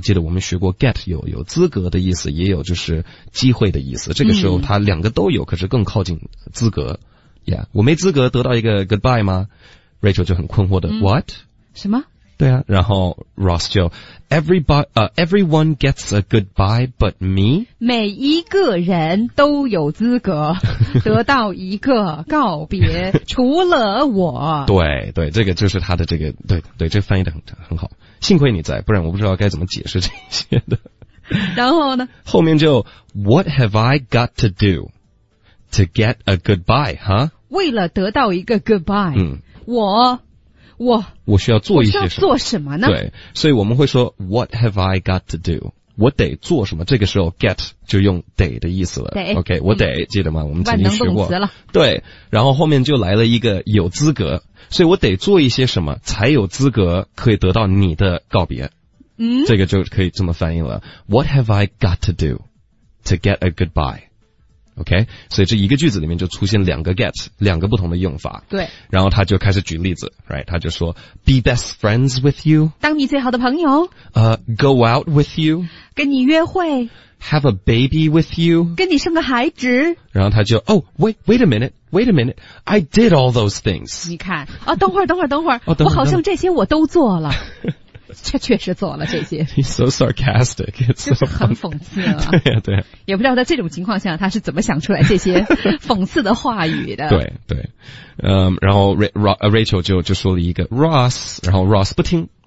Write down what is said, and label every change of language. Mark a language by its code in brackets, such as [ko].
[zh] 记得我们学过 get 有资格的意思，也有就是机会的意思，这个时候它两个都有，可是更靠近资格。 Yeah, 我没资格得到一个 goodbye 吗？Rachel 就很困惑的、 [en] What? [zh] 什么？对啊，然后 [en] Ross 就 Everyone gets a goodbye but me? [zh] 每一个人都有资格得到一个告别除了我。对对，这个就是他的这个，对对，这个、翻译得很好。幸亏你在，不然我不知道该怎么解释这些的。然后呢？后面就 [en] What have I got to do to get a goodbye, huh? [zh] 为了得到一个 goodbye,、我需要做一些什么？我需要做什么呢？对，所以我们会说 [en] What have I got to do? [zh] 我得做什么？这个时候 get 就用得的意思了。对，OK, 我得、记得吗？我们曾经学过。万能动词了。对，然后后面就来了一个有资格，所以我得做一些什么才有资格可以得到你的告别。嗯，这个就可以这么翻译了。 [en] What have I got to do to get a goodbye? [zh] OK, 所以这一个句子里面就出现两个 get, 两个不同的用法。对。然后他就开始举例子 ,right? 他就说 , [en] be best friends with you, [zh] 当你最好的朋友 [en] ,go out with you, [zh] 跟你约会 [en] ,have a baby with you, [zh] 跟你生个孩子。然后他就 [en] ,oh, wait a minute, I did all those things. [zh] 你看啊、等会儿我好像这些我都做了。这确实做了这些。 [en] He's so sarcastic. It's so [zh] 很讽刺了。对、对。也不知道在这种情况下他是怎么想出来这些讽刺的话语的。对对。然后 Rachel 就说了一个 Ross, 然后 Ross 不听。